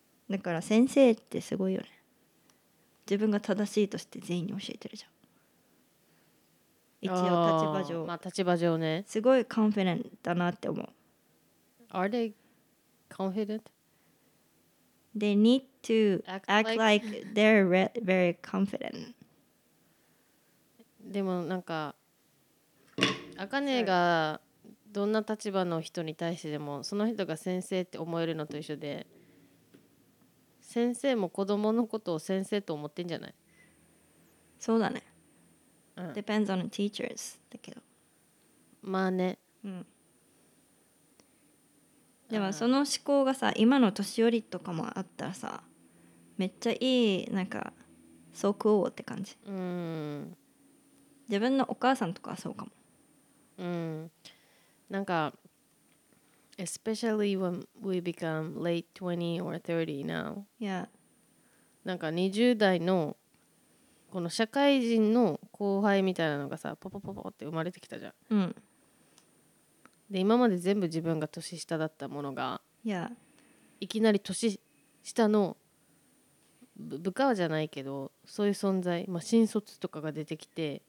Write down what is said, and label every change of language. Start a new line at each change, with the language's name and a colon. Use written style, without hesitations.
Japanese: だから先生ってすごいよね。自分が正しいとして全員に教えてるじゃん一応立場上あまあ立場上ねすごいコンフィデントだなって思う
English: Are they confident? They need to act like they're very confident
Japanese: でもなんかアカネがどんな立場の人に対してでもその人が先生って思えるのと一緒で先生も子供のことを先生と思ってんじゃない? そうだね。うん、
English: Depends on the teachers
Japanese: だけど。まあね。うん。でもその思考がさ、今の年寄りとかもあったらさ、めっちゃいい、なんか、そうクオーって感じ。自分のお母さんとかはそうかも。
English: なんか、Especially when we become late 20 or 30 now. Yeah.
Japanese: なんか20代のこの社会人の後輩みたいなのがさ、ポポポポって生まれてきたじゃん。うん。で、今まで全部自分が年下だったものが、 yeah. いきなり年下の部下じゃないけど、そういう存在、まあ、新卒とかが出てきて、